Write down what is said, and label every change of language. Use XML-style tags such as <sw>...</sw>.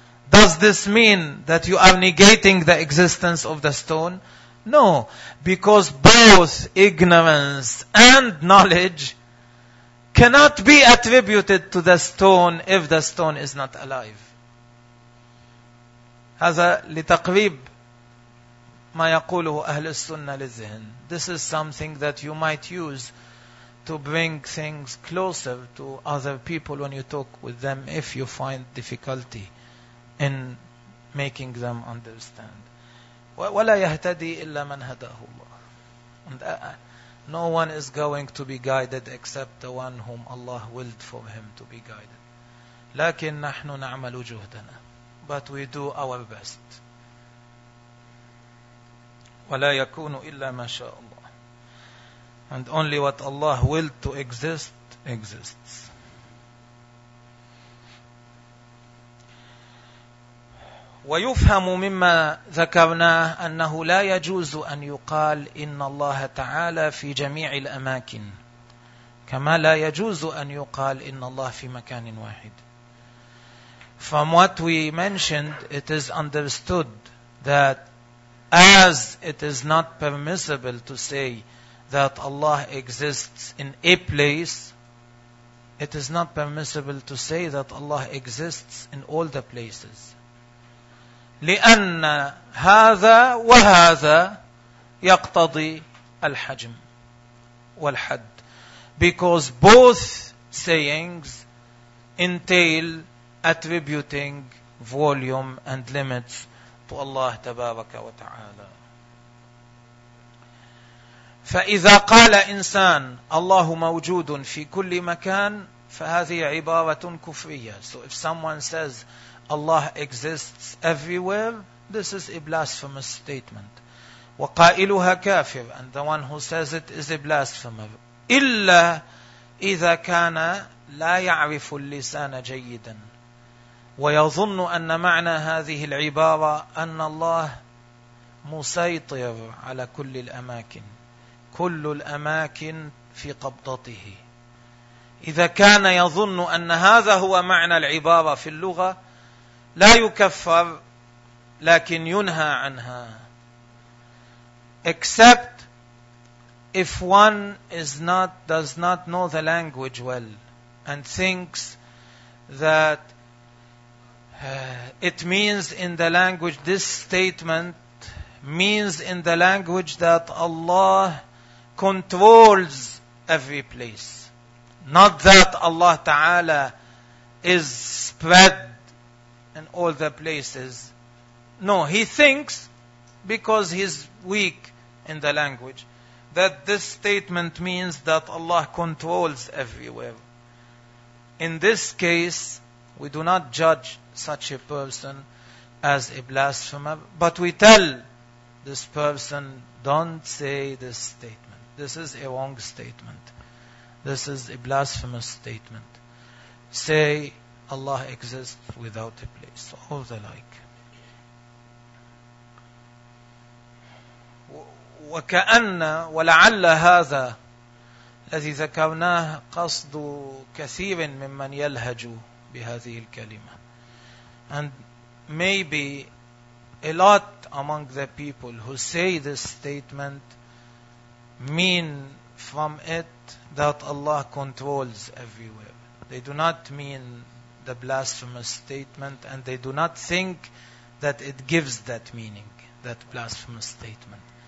<en>Does this mean that you are negating the existence of the stone? No, because both ignorance and knowledge cannot be attributed to the stone if the stone is not alive.</en> <ar>هذا لتقريب ما يقوله أهل السنة للذهن.</ar> <en>This is something that you might use to bring things closer to other people when you talk with them if you find difficulty in making them understand.</en> <ar>وَلَا يَهْتَدِي إِلَّا مَنْ هَدَاهُ اللَّهُ.</ar> <en>And no one is going to be guided except the one whom Allah willed for him to be guided.</en> <ar>لَكِنْ نَحْنُ نَعْمَلُ جُهْدَنَا.</ar> <en>But we do our best.</en> <ar>وَلَا يَكُونُ إِلَّا مَا شَاءُ اللَّهُ.</ar> <en>And only what Allah willed to exist, exists.</en> <ar>ويفهم مما ذكرناه أنه لا يجوز أن يقال إن الله تعالى في جميع الأماكن كما لا يجوز أن يقال إن الله في مكان واحد.</ar> <en>From what we mentioned, it is understood that as it is not permissible to say that Allah exists in a place, It is not permissible to say that Allah exists in all the places.</en> <ar>لِأَنَّ هَذَا وَهَذَا يَقْتَضِي الْحَجْمِ والحد.</ar> <en>Because both sayings entail attributing volume and limits to Allah</en> <ar>تبارك وتعالى. فإذا قال إنسان الله موجود في كل مكان فهذه عبارة كفرية.</ar> <en>So if someone says Allah exists everywhere, this is a blasphemous statement.</en> <ar>وقائلها كافر,</ar> <en>and the one who says it is a blasphemer.</en> <ar>إلا إذا كان لا يعرف اللسان جيدا ويظن أن معنى هذه العبارة أن الله مسيطر على كل الأماكن, كل الأماكن في قبضته. إذا كان يظن أن هذا هو معنى العبارة في اللغة لا يكفر لكن ينهى عنها.</ar> <en>Except if one does not know the language well and thinks that it means in the language, this statement means in the language that Allah controls every place, not that Allah Ta'ala is spread in all the places. No, he thinks, because he's weak in the language, that this statement means that Allah controls everywhere. In this case, we do not judge such a person as a blasphemer, but we tell this person, don't say this statement. This is a wrong statement. This is a blasphemous statement. Say, Allah exists without a place, or the like.</en> <ar>وكأن ولعل هذا الذي ذكرناه قصد كثير ممن يلهج بهذه الكلمة.</ar> <en>And maybe a lot among the people who say this statement mean from it that Allah controls everywhere. They do not mean the blasphemous statement, and they do not think that it gives that meaning, that blasphemous statement.</en>